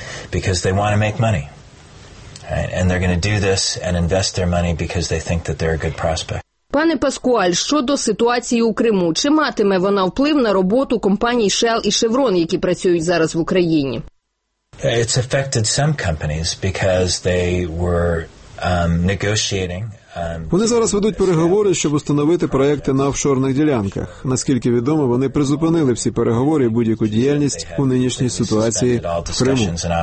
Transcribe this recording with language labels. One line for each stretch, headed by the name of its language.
English: Because they want to make money, right? And they're going to do this and invest their money because they think that they're a good prospect.
Ukrainian: Пане Паскуаль, щодо ситуації у Криму, чи матиме вона вплив на роботу компаній Shell і Chevron, які працюють зараз в Україні?
English: It's affected some companies because they were negotiating.
Ukrainian: Вони зараз ведуть переговори, щоб установити проекти на офшорних ділянках. Наскільки відомо, вони призупинили всі переговори і будь-яку діяльність у нинішній ситуації в Криму.